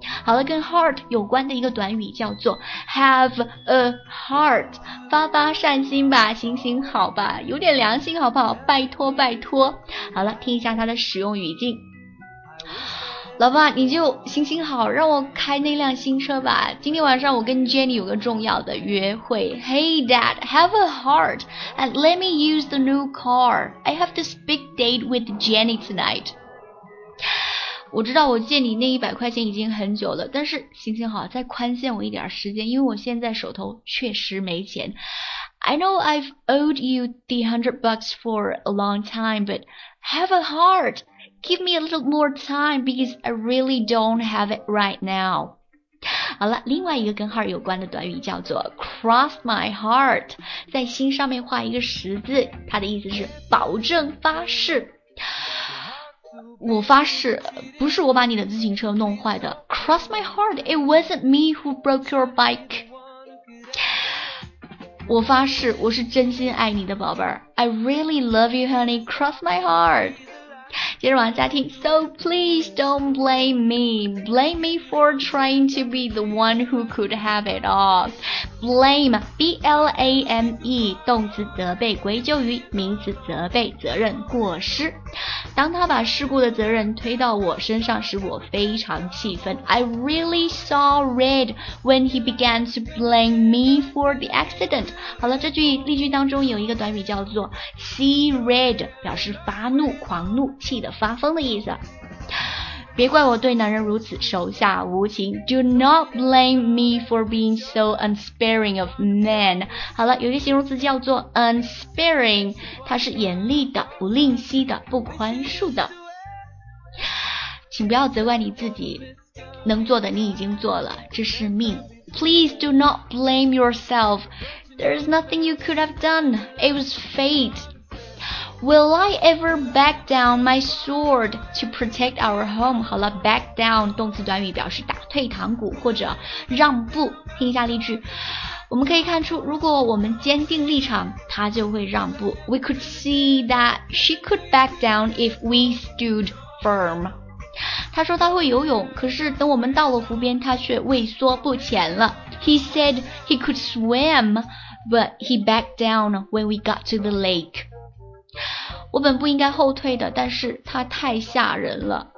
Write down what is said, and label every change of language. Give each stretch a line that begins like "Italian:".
Chinese: 好了，跟 heart 有关的一个短语叫做 have a heart， 发发善心吧，行行好吧，有点良心好不好，拜托拜托。好了，听一下它的使用语境。老爸，你就行行好，让我开那辆新车吧，今天晚上我跟 Jenny 有个重要的约会。
English: Hey dad, have a heart and let me use the new car, I have this big date with Jenny tonight。
Chinese: 我知道我借你那100块钱已经很久了，但是行行好，再宽限我一点时间，因为我现在手头确实没钱。
English: I know I've owed you the $100 for a long time, but have a heart. Give me a little more time because I really don't have it right now.
Chinese: 好了，另外一个跟 heart 有关的短语叫做 cross my heart， 在心上面画一个十字，它的意思是保证、发誓。我发誓，不是我把你的自行车弄坏的。
English: Cross my heart, it wasn't me who broke your bike.
Chinese: 我发誓，我是真心爱你的宝贝儿。
English: I really love you, honey. Cross my heart.
Chinese: 接着往下听。
English: So please don't blame me. Blame me for trying to be the one who could have it all.
Chinese: Blame, B-L-A-M-E, 动词责备、归咎于，名词责备、责任、过失。当他把事故的责任推到我身上时，我非常气愤。
English: I really saw red when he began to blame me for the accident.
Chinese: 好了，这句例句当中有一个短语叫做 see red， 表示发怒、狂怒、气得发疯的意思。别怪我对男人如此手下无情。
English: Do not blame me for being so unsparing of men.
Chinese: 好了，有一个形容词叫做 unsparing， 它是严厉的、不吝惜的、不宽恕的。请不要责怪你自己，能做的你已经做了，这是命。
English: Please do not blame yourself. There is nothing you could have done. It was fate. Will I ever back down my sword to protect our home?
Chinese: 好了， back down 动词短语表示打退堂鼓或者让步。听一下例句，我们可以看出如果我们坚定立场他就会让步。
English: We could see that she could back down if we stood firm.
Chinese: 他说他会游泳，可是等我们到了湖边他却畏缩不前了。
English: He said he could swim, but he backed down when we got to the lake.
Chinese: 我本不应该后退的，但是他太吓人了。